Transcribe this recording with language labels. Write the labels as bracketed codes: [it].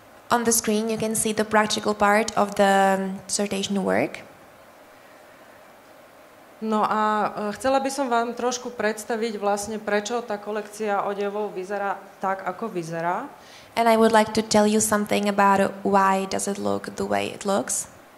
[en] On the screen you can see the practical part of the dissertation work. [sk] No a chcela by som vám trošku predstaviť vlastne, prečo tá kolekcia odevov vyzerá tak, ako vyzerá. [en] And I would like to tell you something about why does it look the way it looks.